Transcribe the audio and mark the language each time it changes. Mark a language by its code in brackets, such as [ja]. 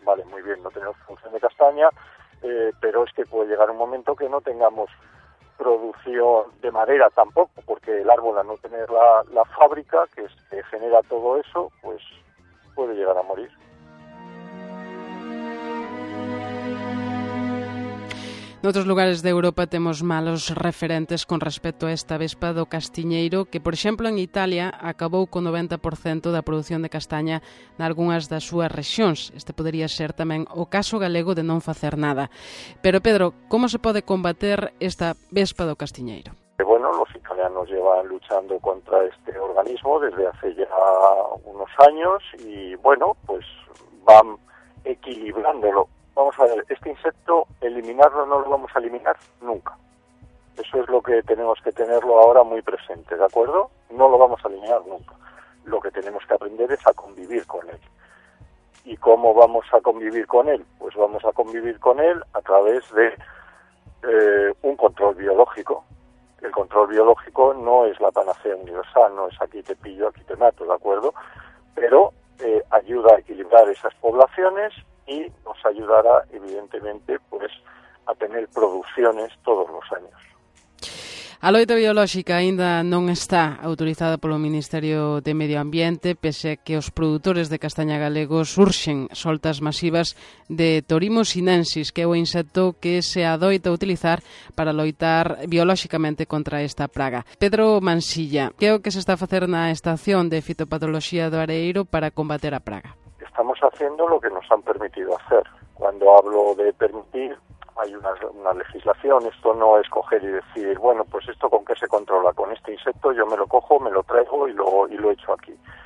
[es] Vale, muy bien, no tenemos producción de castaña, pero es que puede llegar un momento que no tengamos producción de madera tampoco, porque el árbol, al no tener la fábrica que es que genera todo eso, pues puede llegar a morir. [gl] Noutros lugares de Europa temos malos referentes con respecto a esta vespa do castiñeiro, que, por exemplo, en Italia acabou con 90% da produción de castaña nalgúnas das súas rexións. Este podería ser tamén o caso galego de non facer nada. Pero, Pedro, como se pode combater esta vespa do castiñeiro? [es] Bueno, los italianos llevan luchando contra este organismo desde hace ya unos años y, bueno, pues van equilibrándolo. Vamos a ver, este insecto, eliminarlo no lo vamos a eliminar nunca. Eso es lo que tenemos que tenerlo ahora muy presente, ¿de acuerdo? No lo vamos a eliminar nunca. Lo que tenemos que aprender es a convivir con él. ¿Y cómo vamos a convivir con él? Pues vamos a convivir con él a través de un control biológico. el control biológico no es la panacea universal, no es aquí te pillo, aquí te mato, ¿de acuerdo? Pero ayuda a equilibrar esas poblaciones y nos ayudará, evidentemente, pues a tener producciones todos los años. [gl] A loita biolóxica aínda non está autorizada polo Ministerio de Medio Ambiente, pese a que os produtores de castaña galegos urxen soltas masivas de Torimo sinensis, que é o insecto que se adoita utilizar para loitar biolóxicamente contra esta praga. Pedro Mansilla, que é o que se está a facer na Estación de Fitopatoloxía do Areeiro para combater a praga? [es] Estamos haciendo lo que nos han permitido hacer. Cuando hablo de permitir, hay una legislación, esto no es coger y decir, bueno, pues esto ¿con qué se controla? Con este insecto yo me lo cojo, me lo traigo y lo echo aquí.